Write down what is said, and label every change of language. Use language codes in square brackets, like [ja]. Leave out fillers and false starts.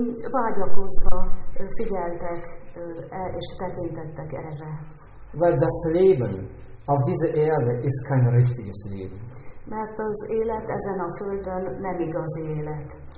[hu] Vágyakozva figyeltek és tekintettek erre. [de] Weil das Leben auf dieser Erde ist kein richtiges Leben. [hu] Mert az élet ezen a földön nem igazi élet.